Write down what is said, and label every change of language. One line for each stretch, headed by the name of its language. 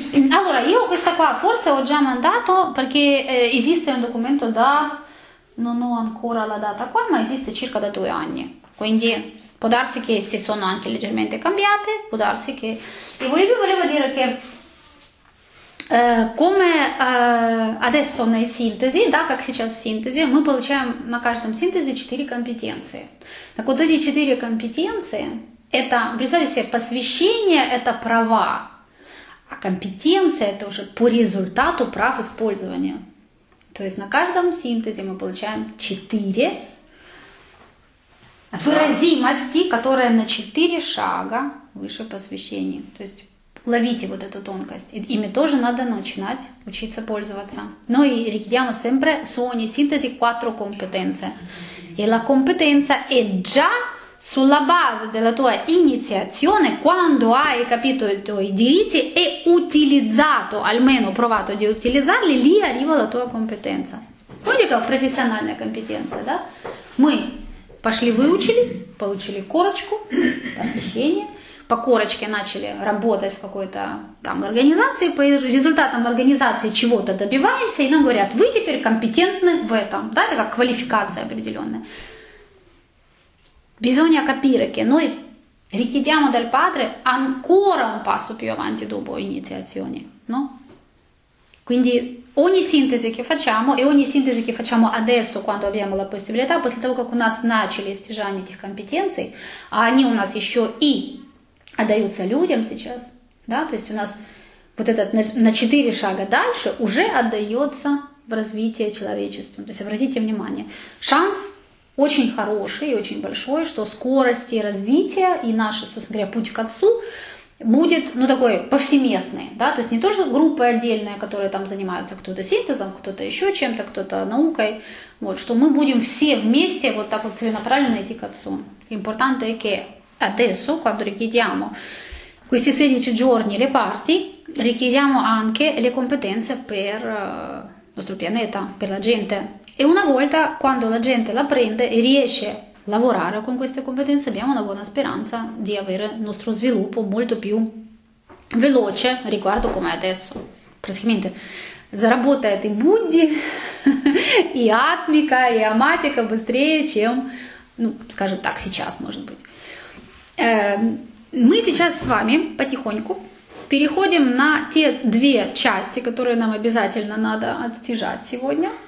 Italian: Allora, io questa qua forse ho già mandato, perché esiste un documento da, non ho ancora la data qua, ma esiste circa da 2 anni. Quindi può darsi che si sono anche leggermente cambiate, può darsi che... E volevo dire che come adesso nel
Russian: синтезе, да, как сейчас в синтезе, мы получаем на каждом синтезе 4 компетенции. Так вот эти 4 компетенции, это, представьте себе, посвящение – это права, а компетенция – это уже по результату прав использования. То есть на каждом синтезе мы получаем 4 выразимости, которые на 4 шага выше посвящения. То есть ловите вот эту тонкость. Ими тоже надо начинать учиться пользоваться.
Italian: Но и requiriamo sempre su ogni sintesi 4 competenze. E la competenza è già sulla base della tua iniziazione, quando hai capito i tuoi diritti e utilizzato, almeno provato di utilizzarli, lì arriva la tua competenza. Unica professionale competenza,
Russian: да? Мы пошли, выучились, получили корочку, посвящение. По корочке начали работать в какой-то там организации, по результатам организации чего-то добиваемся, и нам говорят, вы теперь компетентны в этом, да, это как квалификация определенная.
Italian: Bisogna capire che noi Richiediamo dal padre ancora un passo più avanti dopo iniziazione, no? Quindi ogni sintesi che facciamo e ogni sintesi che facciamo adesso, quando abbiamo la possibilità,
Russian: после того, как у нас начали достижение этих компетенций, а они у нас еще и отдаются людям сейчас, да, то есть у нас вот этот на 4 шага дальше уже отдается в развитие человечества. То есть обратите внимание, шанс очень хороший и очень большой, что скорости развития и наш, собственно говоря, путь к отцу будет, ну, такой повсеместный, да, то есть не тоже группы отдельные, которые там занимаются кто-то синтезом, кто-то еще чем-то, кто-то наукой, вот, что мы будем все вместе вот так вот целенаправленно идти к отцу.
Italian: Importante che adesso, quando richiediamo questi 16 giorni le parti, richiediamo anche le competenze per nostro pianeta, per la gente. E una volta, quando la gente la prende e riesce a lavorare con queste competenze, abbiamo una buona speranza di avere il nostro sviluppo molto più veloce riguardo come adesso. Praticamente,
Russian: заработает и Будди, и Атмика, и Аматика быстрее, чем, ну, скажем так, сейчас, может быть. Мы сейчас с вами потихоньку переходим на те две части, которые нам обязательно надо отстижать сегодня.